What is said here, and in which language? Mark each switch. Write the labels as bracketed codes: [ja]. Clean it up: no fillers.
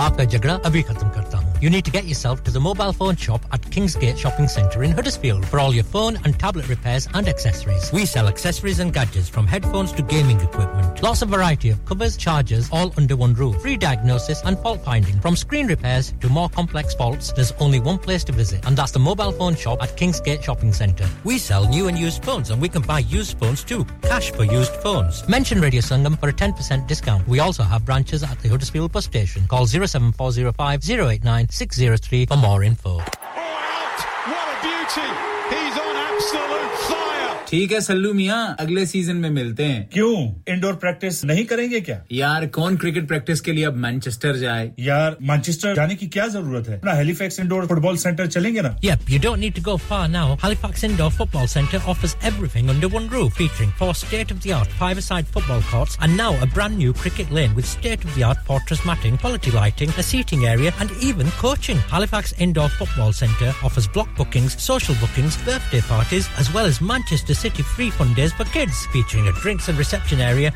[hi] आपका झगड़ा अभी खत्म करता हूं [en] You need to get yourself to the mobile phone shop at Kingsgate shopping centre in Huddersfield for all your phone and tablet repairs and accessories we sell accessories and gadgets from headphones to gaming equipment lots of variety of covers chargers all under one roof free diagnosis and fault finding from screen repairs to more complex faults there is only one place to visit and that's the mobile phone shop at Kingsgate shopping centre we sell new and used phones and we can buy used phones too. Cash for used phones. Mention Radio Sangam for a 10% discount. We also have branches at the Huddersfield bus station. Call 07405 089603 for more info. Oh, out! What a beauty! He's on absolute fire! [hi] ठीक है सल्लू मियां अगले season में मिलते हैं क्यों indoor practice नहीं करेंगे क्या यार कौन क्रिकेट प्रैक्टिस के लिए अब मैनचेस्टर जाए यार मैनचेस्टर जाने की क्या जरूरत है अपना हैलिफैक्स इंडोर फुटबॉल सेंटर चलेंगे ना [en] Yup you don't need to go far now Halifax indoor football centre offers everything under one roof featuring four state of the art five side football courts and now a brand new cricket lane with state of the art portress matting quality lighting a seating area and even coaching Halifax indoor football centre offers block bookings social bookings birthday parties as well as Manchester City Free Fun Days for Kids, featuring a drinks and reception area.